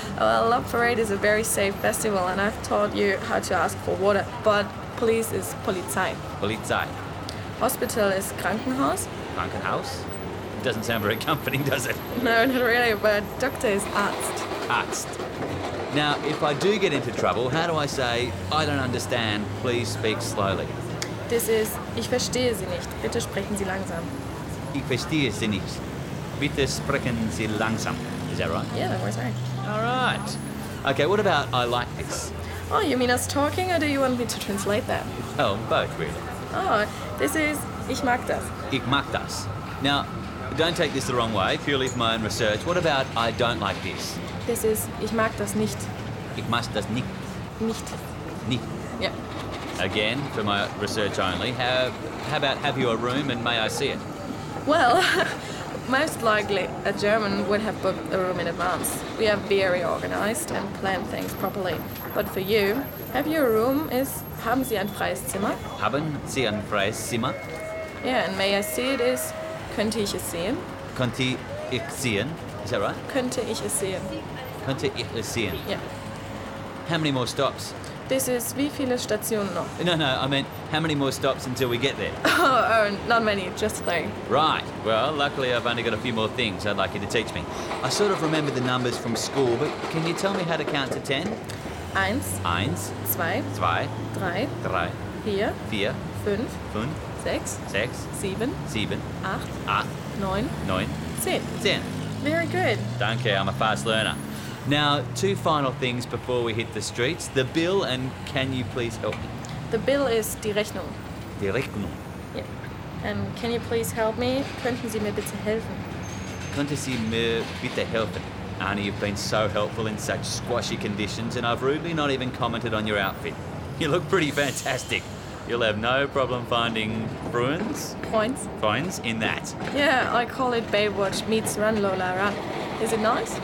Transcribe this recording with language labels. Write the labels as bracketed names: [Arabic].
[English] Well, Love Parade is a very safe festival and I've taught you how to ask for water, but police is Polizei. [German] Polizei. [English] Hospital is Krankenhaus. [German] Krankenhaus? [English] Doesn't sound very comforting, does it? No, not really, but doctor is Arzt. [German] Arzt. [English] Now, if I do get into trouble, how do I say, I don't understand, please speak slowly? This is, [German] ich verstehe Sie nicht, bitte sprechen Sie langsam. Ich verstehe Sie nicht, bitte sprechen Sie langsam. [English] Is that right? Yeah, that works right. All right. Okay, what about I like this? Oh, you mean us talking, or do you want me to translate that? Oh, both, really. Oh, this is, [German] ich mag das. Ich mag das. [English] Now, don't take this the wrong way, purely for my own research. What about I don't like this? This is, [German] ich mag das nicht. Ich mag das nicht. Nicht. Nicht. [English] Yeah. Again, for my research only, how about have you a room and may I see it? Well, most likely a German would have booked a room in advance. We are very organized and plan things properly. But for you, have you a room is, [German] haben Sie ein freies Zimmer? Haben Sie ein freies Zimmer? [English] Yeah, and may I see it is, [German] könnte ich es sehen? Könnte ich sehen? [English] Is that right? [German] Könnte ich es sehen. Könnte ich es sehen? [English] Yeah. How many more stops? This is, [German] wie viele Stationen noch? [English] No, I meant, how many more stops until we get there? Oh, not many, just three. Right, well, luckily I've only got a few more things I'd like you to teach me. I sort of remember the numbers from school, but can you tell me how to count to 10? [German] Eins. Eins. Zwei. Zwei. Drei. Drei. Vier. Vier. Fünf. Fünf. Sechs. Sechs. Sieben. Sieben. Acht. Acht. Neun. Neun. Zehn. Zehn. [English] Very good. Danke, I'm a fast learner. Now, two final things before we hit the streets. The bill and can you please help me? The bill is [German] die Rechnung. Die Rechnung. [English] Yeah. And can you please help me? [German] Könnten Sie mir bitte helfen? Könnten Sie mir bitte helfen? [English] Arnie, you've been so helpful in such squashy conditions and I've rudely not even commented on your outfit. You look pretty fantastic. You'll have no problem finding Bruins? Points. Points in that. Yeah, I call it Baywatch meets Run Lola Run. Is it nice?